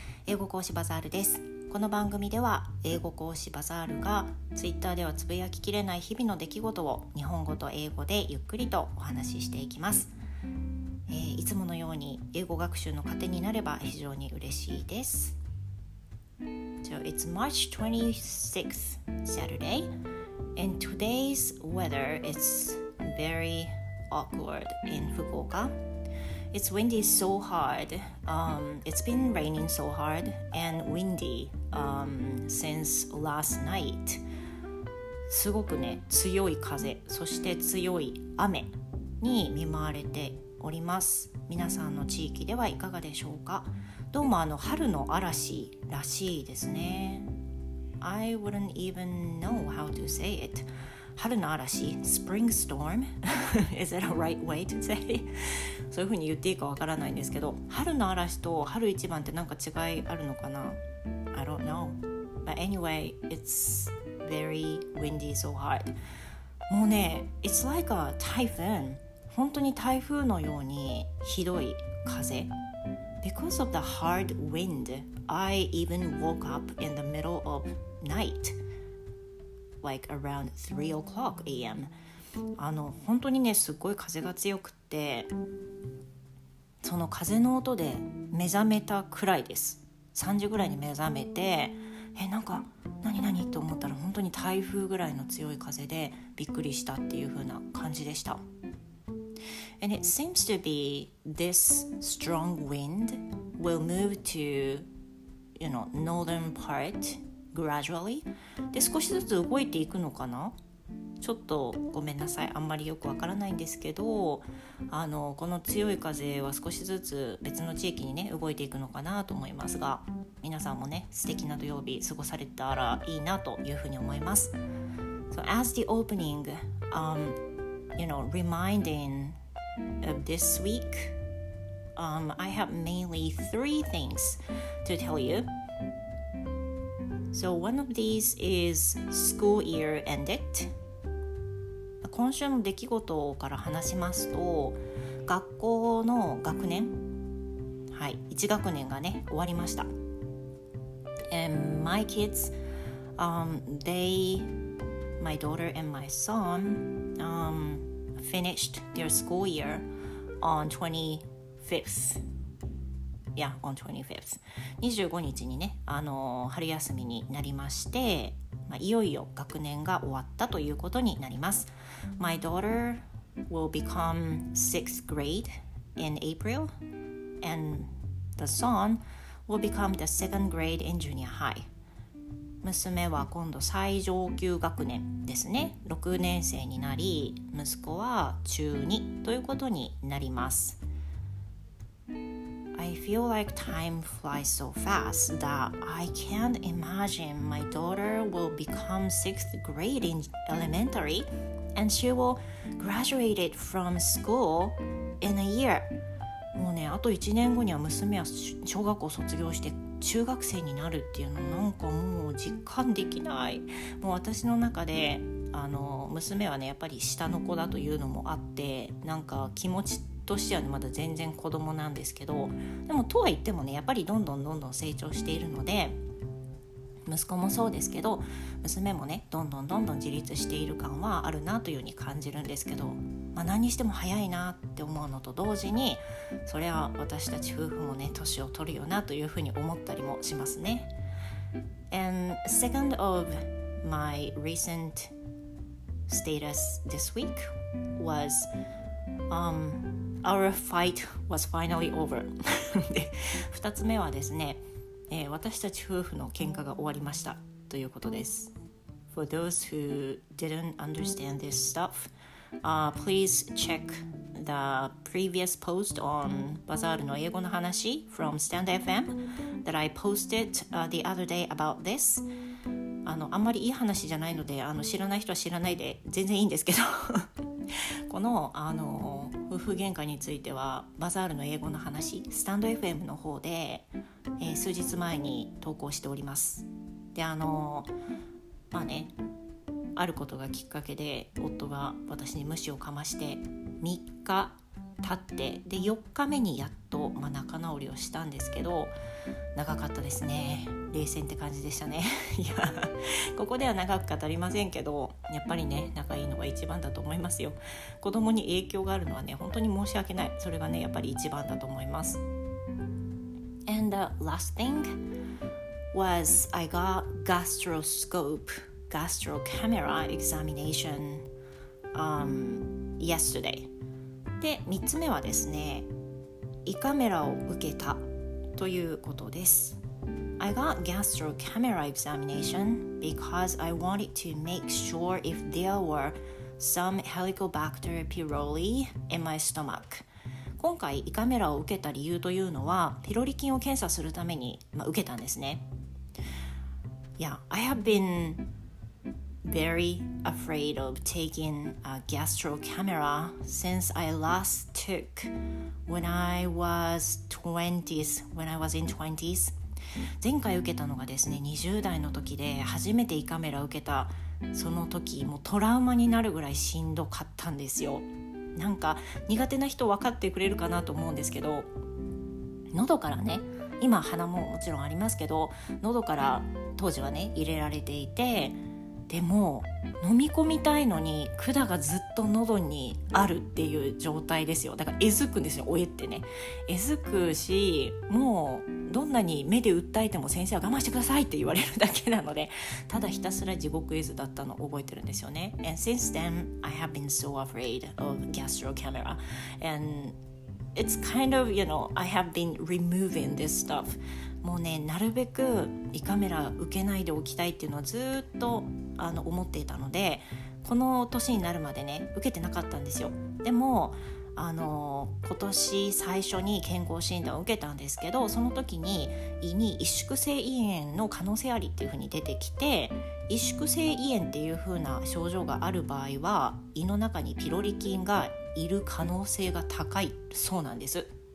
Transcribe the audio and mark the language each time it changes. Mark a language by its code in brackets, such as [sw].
[ja] 英語講師バザールです。この番組では英語講師バザールが Twitter ではつぶやききれない日々の出来事を日本語と英語でゆっくりとお話ししていきます。いつものように英語学習の糧になれば非常に嬉しいです。 [en] So it's March 26th, Saturday. And today's weather is very awkward in Fukuoka. It's windy so hard. It's been raining so hard and windy since last night. [ja] すごくね、強い風、そして強い雨に見舞われております。皆さんの地域ではいかがでしょうか？どうも春の嵐らしいですね。 [en] I wouldn't even know how to say it. [ja] 春の嵐、 [en] spring storm? Is that a right way to say? [ja] そういう風に言っていいかわからないんですけど、春の嵐と春一番ってなんか違いあるのかな? [en] I don't know. But anyway, it's very windy so hard. もうね、it's like a typhoon. [ja] 本当に台風のようにひどい風。 [en] Because of the hard wind, I even woke up in the middle of night, like around 3 o'clock a.m. [ja] 本当にね、すごい風が強くて、その風の音で目覚めたくらいです。 3時ぐらいに目覚めて、なんか何何と思ったら本当に台風ぐらいの強い風でびっくりしたっていう風な感じでした。 [en] And it seems to be this strong wind will move to, you know, northern part gradually. [ja] で、少しずつ動いていくのかな？ちょっとごめんなさい。あんまりよくわからないんですけど、この強い風は少しずつ別の地域にね、動いていくのかなと思いますが、皆さんもね、素敵な土曜日過ごされたらいいなというふうに思います。 [en] So as the opening, you know, remindingof this week, I have mainly 3 things to tell you. So one of these is school year ended. [ja] 今週の出来事から話しますと、学校の学年、はい、1学年がね、終わりました。 [en] And my kids, my daughter and my son, finished their school year. On 25th. [ja] 25日にね、春休みになりまして、いよいよ学年が終わったということになります。 [en] My daughter will become 6th grade in April, and the son will become the 2nd grade in junior high. [ja] 娘は今度最上級学年ですね。 6年生になり、息子は中2ということになります。 [en] I feel like time flies so fast that I can't imagine my daughter will become 6th grade in elementary and she will graduate from school in a year. [ja] もうね、あと1年後には娘は小学校卒業して中学生になるっていうのなんかもう実感できない。もう私の中で娘はね、やっぱり下の子だというのもあって、なんか気持ちとしてはね、まだ全然子供なんですけど、でもとは言ってもね、やっぱりどんどんどんどん成長しているので、息子もそうですけど、娘もね、どんどんどんどん自立している感はあるなというふうに感じるんですけど、まあ何にしても早いなって思うのと同時に、それは私たち夫婦もね、年を取るよなというふうに思ったりもしますね。 [en] And second of my recentstatus this week was our fight was finally over. [ja] 二つ目はですね、私たち夫婦の喧嘩が終わりましたということです。 [en] For those who didn't understand this stuff, please check the previous post on Bazaar の英語の話 from Stand FM that I posted the other day about this. [ja] あんまりいい話じゃないので知らない人は知らないで全然いいんですけどこの夫婦喧嘩についてはバザールの英語の話スタンド FM の方で、数日前に投稿しております。で、まあね、あることがきっかけで夫が私に無視をかまして3日経って、で4日目にやっと、まあ、仲直りをしたんですけど、長かったですね。冷戦って感じでしたね。いや、ここでは長く語りませんけど、やっぱりね、仲いいのが一番だと思いますよ。子供に影響があるのはね、本当に申し訳ない。それがね、やっぱり一番だと思います。 [en] And the last thing was I got gastroscope gastro camera examination yesterday。 [ja] で、3つ目はですね、胃カメラを受けたということです。 [en] I got gastro camera examination because I wanted to make sure if there were some Helicobacter pylori in my stomach。 [ja] 今回胃カメラを受けた理由というのは、ピロリ菌を検査するために、まあ、受けたんですね。 [en] Yeah, I have been very afraid of taking a gastro camera since I last took when I was 20s, when I was in 20s. [ja] 前回受けたのがですね、20代の時で、初めて胃カメラ受けたその時、もうトラウマになるぐらいしんどかったんですよ。なんか苦手な人分かってくれるかなと思うんですけど、喉からね、今鼻ももちろんありますけど、喉から当時はね入れられていて、でも飲み込みたいのに管がずっと喉にあるっていう状態ですよ。だからえずくんですよ、おえってね。えずくし、もうどんなに目で訴えても先生は我慢してくださいって言われるだけなので、ただひたすら地獄絵図だったのを覚えてるんですよね。 [en] And since then I have been so afraid of gastro camera and it's kind of, you know, I have been removing this stuff。 [ja] もうね、なるべく胃カメラ受けないでおきたいっていうのはずっと思っていたので、この年になるまでね受けてなかったんですよ。でも今年最初に健康診断を受けたんですけど、その時に胃に萎縮性胃炎の可能性ありっていう風に出てきて、萎縮性胃炎っていう風な症状がある場合は胃の中にピロリ菌がいる可能性が高いそうなんです。